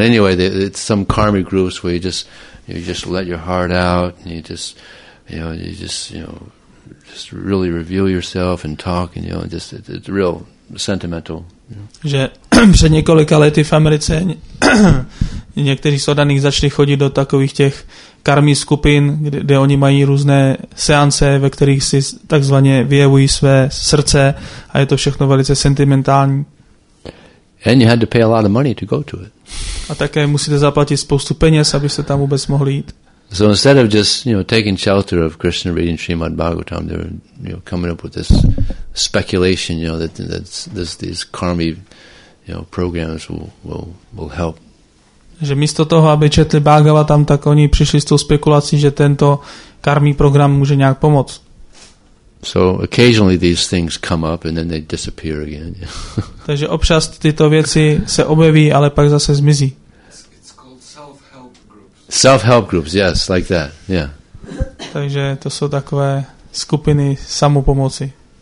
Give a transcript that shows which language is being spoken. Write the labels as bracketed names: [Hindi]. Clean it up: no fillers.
[English] Anyway, it's some karmic groups where you just let your heart out and you just really reveal yourself and talk and it's real sentimental. [Czech] Že před několika lety v Americe někteří z oddaných začali chodit do takových těch karmí skupin, kde oni mají různé seance, ve kterých si takzvaně vyjevují své srdce a je to všechno velice sentimentální. [English] And you had to pay a lot of money to go to it. [Czech] A také musíte zaplatit spoustu peněz, abyste tam vůbec mohli jít. [English] So instead of just, taking shelter of Krishna reading Srimad Bhagavatam, they were, coming up with this speculation, that these karmi, programs will help. [Czech] Že místo toho, aby četli Bhagavatam, tak oni přišli s tou spekulací, že tento karmi program může nějak pomoct. [English] So occasionally these things come up and then they disappear again. [Czech] Takže občas tyto věci se objeví, ale pak zase zmizí. [English] Self-help groups, yes, like that, yeah. [Czech] Takže to jsou takové skupiny samopomoci.